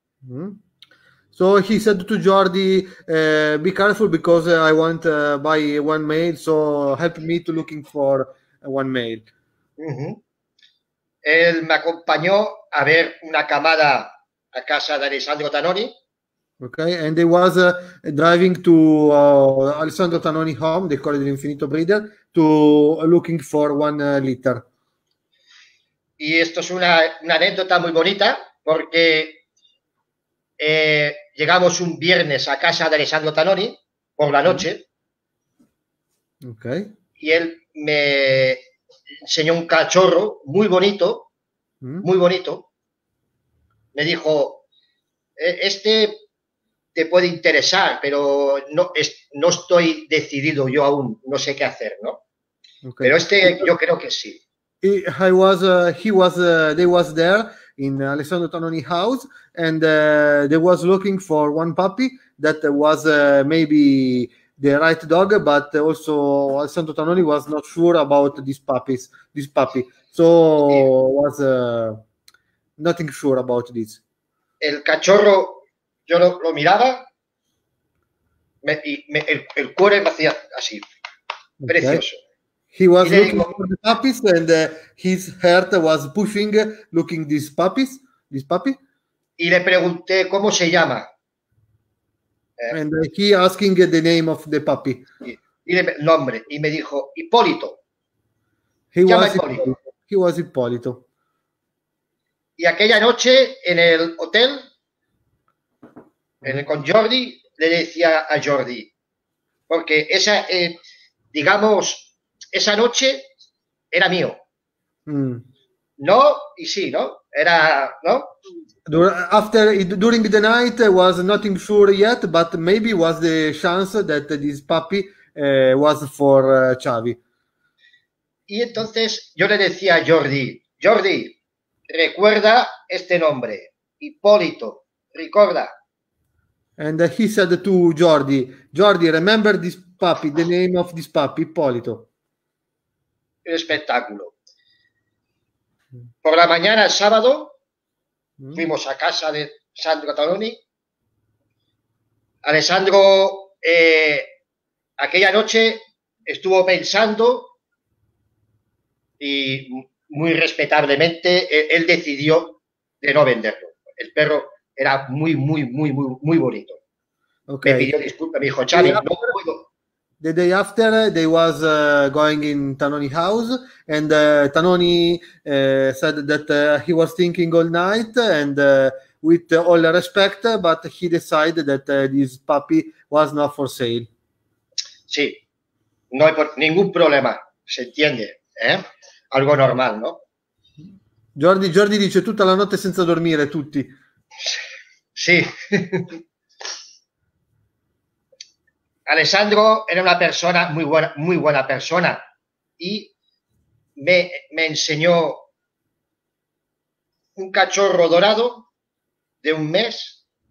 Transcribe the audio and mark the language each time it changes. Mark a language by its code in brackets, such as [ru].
[en] Mm-hmm. So he said to Jordi, be careful because I want to buy one male, so help me to looking for one male. Uh-huh. [es] Él me acompañó a ver una camada a casa de Alessandro Tanoni. [en] Okay, and he was driving to Alessandro Tanoni home, the Corrida Infinito Breeder, to looking for one litter. [es] Y esto es una anécdota muy bonita, porque llegamos un viernes a casa de Alessandro Tanoni por la noche. [en] Okay. [es] Y él me enseñó un cachorro muy bonito, muy bonito. Me dijo, este te puede interesar, pero no estoy decidido yo aún, no sé qué hacer, ¿no? Okay. Pero este yo creo que sí. [en] They was there in Alessandro Tanoni house and they was looking for one puppy that was maybe the right dog, but also Alessandro Tanoni was not sure about this puppy. So was nothing sure about this. [es] El cachorro, yo lo miraba, el cuore me hacía así, precioso. [en] Okay. He was looking for the puppies and his heart was pushing looking these puppies. this puppy? [es] Y le pregunté cómo se llama. [en] And he asking the name of the puppy. [es] Y le, nombre. Y me dijo, Hipólito. [en] He was Hipólito. He was Hipólito. [es] Y aquella noche en el hotel, con Jordi, le decía a Jordi, porque esa, digamos, esa noche era mío. Mm. No, y sí, ¿no? Era, ¿no? [en] After, during the night, was nothing sure yet, but maybe was the chance that this puppy was for Xavi. [es] Y entonces yo le decía a Jordi, Jordi, recuerda este nombre, Hipólito, recuerda. [en] And he said to Jordi, Jordi, remember this puppy, the name of this puppy, Hipólito. [es] Un espectáculo. Por la mañana, el sábado, fuimos a casa de Sandro Cataloni. Alessandro, aquella noche estuvo pensando y muy respetablemente él decidió de no venderlo. El perro era muy, muy, muy, muy, muy bonito. [en] Okay. [es] Me pidió disculpas, me dijo, Xavi, no puedo. [en] The day after, they was going in Tanoni house, and Tanoni said that he was thinking all night, and with all respect, but he decided that this puppy was not for sale. [es] Sí, no hay ningún problema, se entiende, ¿eh? Algo normal, ¿no? [it] Jordi, Jordi dice tutta la notte senza dormire, tutti. [es] Sí. Alessandro era una persona muy buena persona y me enseñó un cachorro dorado de un mes.